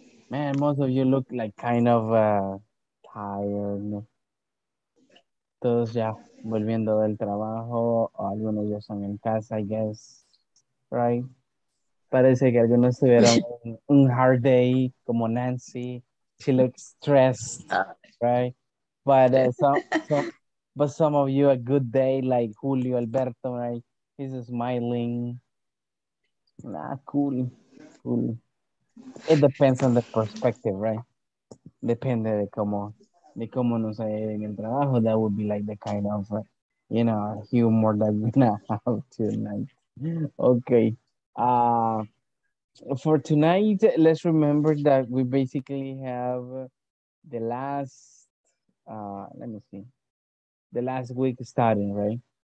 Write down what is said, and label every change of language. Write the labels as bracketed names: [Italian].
[English] Man, most of you look like kind of tired. [Spanish] Todos ya volviendo del trabajo, o algunos ya están en casa, I guess. Right? Parece que algunos tuvieron un hard day, como Nancy. [English] She looks stressed, right? But some of you a good day, like Julio Alberto, right? He's smiling. Nah, cool, cool. It depends on the perspective, right? [Spanish] Depende de cómo nos haya ido en el trabajo. [English] That would be like the kind of, you know, humor that we're gonna have tonight. Okay. For tonight, let's remember that we basically have the last, the last week starting, right?